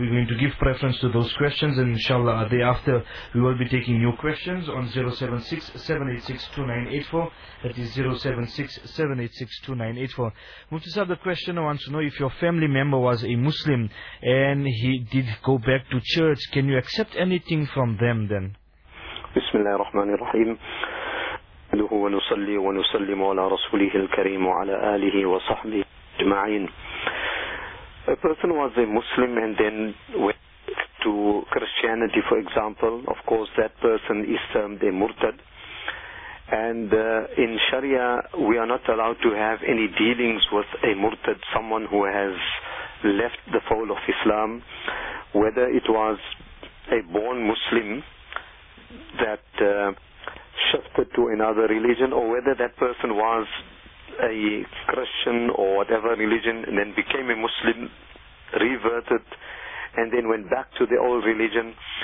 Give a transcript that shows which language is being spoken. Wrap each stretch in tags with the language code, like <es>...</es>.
<en>We're going to give preference to those questions, and inshallah, thereafter, we will be taking new questions on 076-786-2984. That is 076-786-2984. Mufti Sahab, the questioner wants to know, if your family member was a Muslim and he did go back to church, can you accept anything from them then?</en> <ar>Bismillahir Rahmanir Rahim. ونصلي ونسلم على رسوله الكريم وعلى آله وصحبه أجمعين.</ar> <en>A person was a Muslim and then went to Christianity, for example. Of course, that person is termed a murtad. And in Sharia, we are not allowed to have any dealings with a murtad, someone who has left the fold of Islam, whether it was a born Muslim that shifted to another religion, or whether that person was a Christian or whatever religion and then became a Muslim, reverted, and then went back to the old religion.</en>